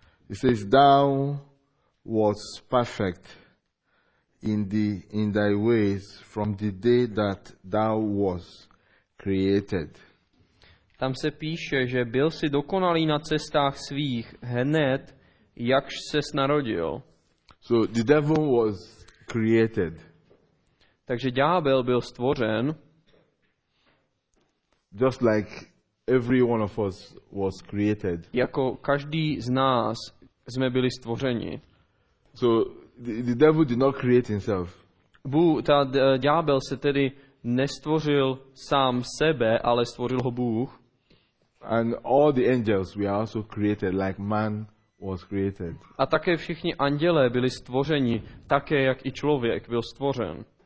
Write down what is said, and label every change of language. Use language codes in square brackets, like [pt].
[en] It says, thou was perfect in thy ways from the day that thou was created. [cs] Tam se píše, že byl si dokonalý na cestách svých hned, jakž ses narodil. [en] So the devil was created. [cs] Takže ďábel byl stvořen. [en] Just like every one of us was created. [cs] Jako každý z nás jsme byli stvořeni. [en] So the devil did not create himself. [cs] Ďábel se tedy nestvořil sám sebe, ale stvořil ho Bůh. [en] And all the angels were also created like man was created. [cs] A také všichni andělé byli stvořeni také jak i člověk byl stvořen.